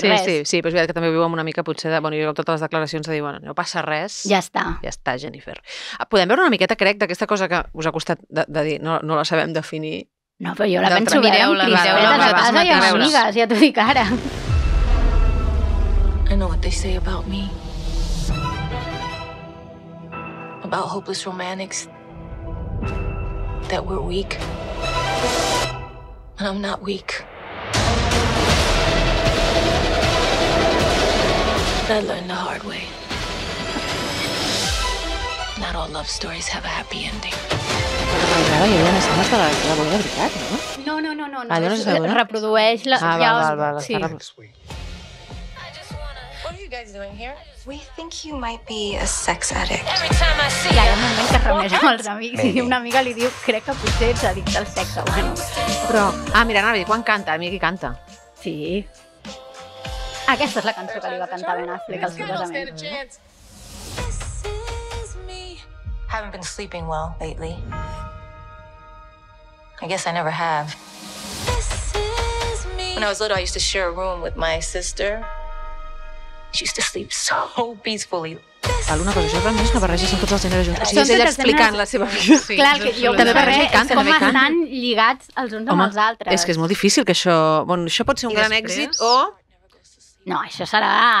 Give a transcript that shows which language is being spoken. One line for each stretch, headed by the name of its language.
Catalan: res. Sí, però és veritat que també viuen una mica potser de... Bueno, jo totes les declaracions de dir, bueno, no passa res. Ja està, Jennifer. Podem veure una miqueta, crec, d'aquesta cosa que us ha costat de dir, no la sabem definir. No, però jo la penso veure amb crispetes a casa i amb amigues, ja t'ho dic ara.
English: I know what they say about me. About hopeless romantics, that we're weak, and I'm not weak. But I learned the hard way. Not all love stories have a happy ending.
Catalan: Encara hi ha unes dones de la boda de veritat, no? No. Allò no és la boda? Reprodueix la... Val. Sí.
English: What are you guys doing here? We think you might be a sex addict.
Catalan: I ara un moment que es reuneix amb els amics i una amiga li diu, crec que potser ets addicte al sexe. Bueno, però... Ah, mira, Navi, quan canta? A mi qui canta? Sí. Aquesta és la cançó que li va cantar Ben Affleck als seus amics.
English: This is me. Haven't been sleeping well lately. I guess I never have. This is me. When I was little, I used to share a room with my sister. She used to sleep so peacefully.
Catalan: Val, una cosa, jo realment és una barreja, són tots els gèneres junts. O sigui, és ella explicant la seva vida. Sí, clar, que jo també barreja i canta, també canta. És com estan lligats els uns amb els altres. És que és molt difícil que això... Bueno, això pot ser un gran èxit o... No, això serà...